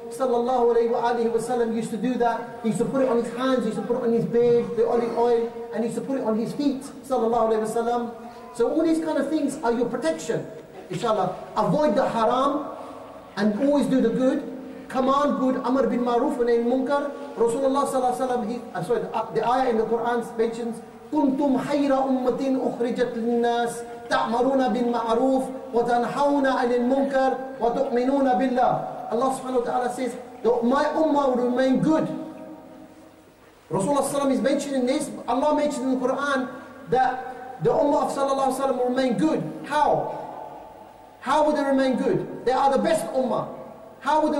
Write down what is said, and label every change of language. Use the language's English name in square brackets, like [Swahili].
[English] Sallallahu alayhi wa sallam used to do that. He used to put it on his hands, he used to put it on his beard, the olive oil, and he used to put it on his feet, sallallahu alayhi wa sallam. So all these kind of things are your protection, inshallah. Avoid the haram and always do the good. Command good, Amr bin Maruf wa Nahy Munkar. [Arabic] Rasulullah sallallahu alayhi wa sallam, [English] the ayah in the Quran mentions, [Arabic] كنتم خير أمة أخرجت للناس تأمرون بالمعروف وتنهون عن المنكر وتؤمنون بالله. [English] Allah subhanahu wa ta'ala says that my ummah will remain good. Rasulullah sallam is mentioning this. Allah mentioned in the Quran that the ummah of sallallahu alaihi wasallam will remain good. How? How would they remain good? They are the best ummah. How would they?